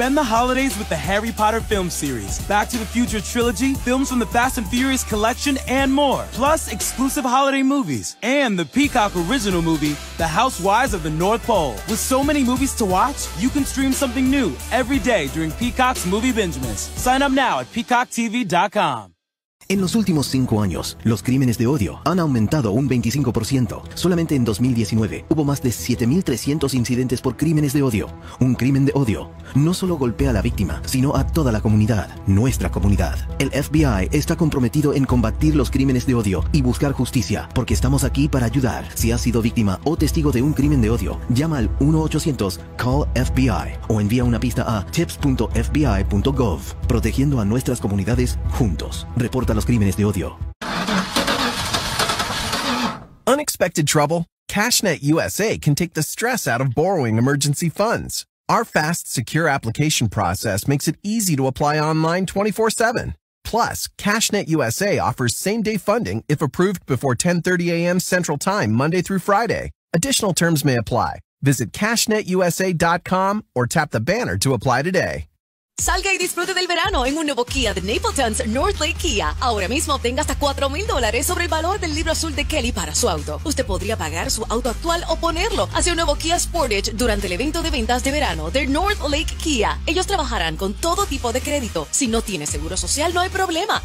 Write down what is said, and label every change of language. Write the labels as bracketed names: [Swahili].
[English] Spend the holidays with the Harry Potter film series, Back to the Future trilogy, films from the Fast and Furious collection, and more. Plus, exclusive holiday movies and the Peacock original movie, The Housewives of the North Pole. With so many movies to watch, you can stream something new every day during Peacock's Movie Benjamins. Sign up now at PeacockTV.com. [Spanish] En los últimos 5 años, los crímenes de odio han aumentado un 25%. Solamente en 2019 hubo más de 7.300 incidentes por crímenes de odio. Un crimen de odio no solo golpea a la víctima, sino a toda la comunidad, nuestra comunidad. El FBI está comprometido en combatir los crímenes de odio y buscar justicia, porque estamos aquí para ayudar. Si has sido víctima o testigo de un crimen de odio, llama al 1-800-CALL-FBI o envía una pista a tips.fbi.gov, protegiendo a nuestras comunidades juntos. Reporta los crímenes de odio. [English] Unexpected trouble? CashNet USA can take the stress out of borrowing emergency funds. Our fast, secure application process makes it easy to apply online 24/7. Plus, CashNet USA offers same-day funding if approved before 10:30 a.m. Central Time, Monday through Friday. Additional terms may apply. Visit cashnetusa.com or tap the banner to apply today. [Spanish] Salga y disfrute del verano en un nuevo Kia de Napleton's North Lake Kia. Ahora mismo obtenga hasta $4,000 sobre el valor del libro azul de Kelly para su auto. Usted podría pagar su auto actual o ponerlo hacia un nuevo Kia Sportage durante el evento de ventas de verano de North Lake Kia. Ellos trabajarán con todo tipo de crédito. Si no tiene seguro social, no hay problema.